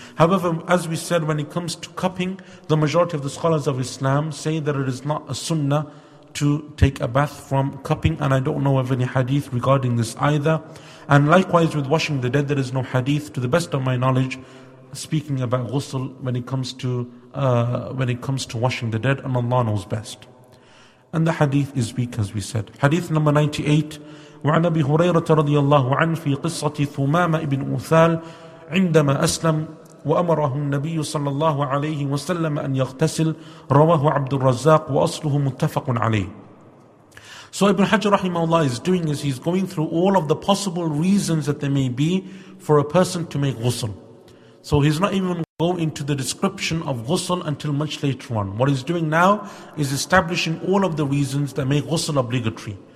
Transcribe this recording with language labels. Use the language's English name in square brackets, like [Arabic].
[English] However, as we said, when it comes to cupping, the majority of the scholars of Islam say that it is not a sunnah to take a bath from cupping, and I don't know of any hadith regarding this either. And likewise with washing the dead, there is no hadith, to the best of my knowledge, speaking about ghusl when it comes to washing the dead, and Allah knows best. And the hadith is weak, as we said. Hadith number 98. [Arabic] وعن أبي هريرة رضي الله عنه في قصة ثمامة بن أوثال عندما أسلم وأمره النبي صلى الله عليه وسلم أن يغتسل رواه عبد الرزاق وأصله متفق عليه. [English] So Ibn Hajar rahimahullah is doing is he's going through all of the possible reasons that there may be for a person to make ghusl. So he's not even going into the description of ghusl until much later on. What he's doing now is establishing all of the reasons that make ghusl obligatory.